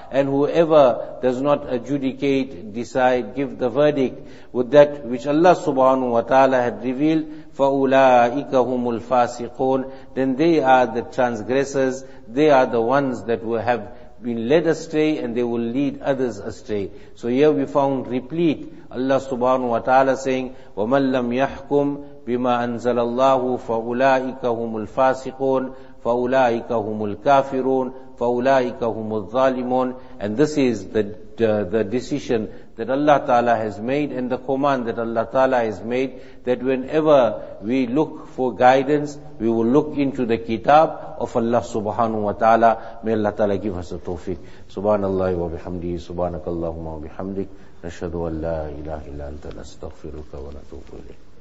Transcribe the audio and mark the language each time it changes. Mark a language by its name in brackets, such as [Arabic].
[English] And whoever does not adjudicate, decide, give the verdict with that which Allah subhanahu wa ta'ala had revealed, [Arabic] فَأُولَٰئِكَ هُمُ الْفَاسِقُونَ. [English] Then they are the transgressors, they are the ones that will have been led astray and they will lead others astray. So here we found replete Allah subhanahu wa ta'ala saying, [Arabic] وَمَنْ لَمْ يَحْكُمْ بِمَا أَنزَلَ اللَّهُ فَأُولَٰئِكَ هُمُ الْفَاسِقُونَ فَأُولَٰئِكَ هُمُ الْكَافِرُونَ فَأُولَٰئِكَ هُمُ الظَّالِمُونَ. [English] And this is the decision that Allah ta'ala has made and the command that Allah ta'ala has made, that whenever we look for guidance, we will look into the kitab of Allah subhanahu wa ta'ala. May Allah ta'ala give us a tawfiq. [Arabic] Subhanallah wa bihamdihi, subhanakallahumma wa bihamdik. نشهد أن لا إله إلا أنت نستغفرك ونتوب إليك.